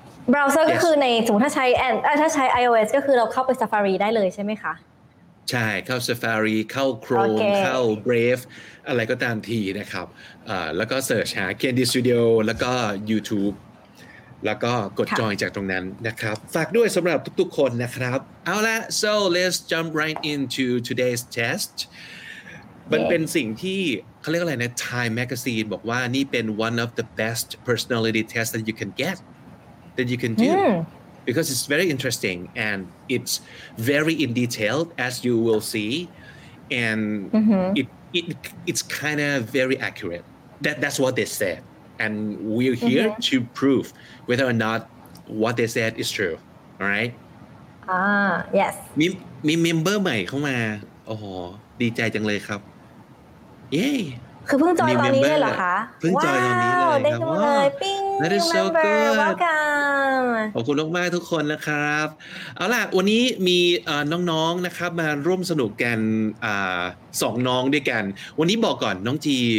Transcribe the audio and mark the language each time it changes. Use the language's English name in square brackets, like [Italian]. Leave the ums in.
[Thai] เบราว์เซอร์ [English] Yes [Thai] ก็คือในสมมติถ้าใช้ and อ่ะถ้าใช้ iOS ก็คือเราเข้าไป Safari ได้เลยใช่ไหมคะ ใช่เข้า Safari เข้า โอ [English] Chrome [Thai] เค เข้า Brave อะไรก็ตามทีนะครับอ่าแล้วก็เสิร์ชหา Candy Studio แล้วก็ YouTube แล้วก็กด ค่ะ จอยจากตรงนั้นนะครับ ฝากด้วยสำหรับทุกๆคนนะครับ เอาละ [English] so let's jump right into today's test [Thai] มันเป็นสิ่งที่เขาเรียกอะไรนะ [English] Time Magazine [Thai] บอกว่านี่เป็น [English] one of the best personality tests that you can get that you can do because it's very interesting and it's very in detail as you will see and it, it it's kind of very accurate that that's what they said and we're here to prove whether or not what they said is true all right Ah, yes. [Thai] มีมีเมมเบอร์ใหม่เข้ามาโอ้โหดีใจจังเลยครับ เย้ คือเพิ่งจอยตอนนี้ [English] Remember [Thai] เลยเหรอคะ เพิ่งจอยตอนนี้เลย ว้าวได้ ครับ ดูเลย ว้าว ปิ้ง [English] That is so remember good welcome [Thai] ขอบคุณมากๆทุกคนนะครับ เอาล่ะ วันนี้มีเอ่อน้องๆนะครับมาร่วมสนุกกันอาสองน้องด้วยกัน วันนี้บอกก่อนน้องจี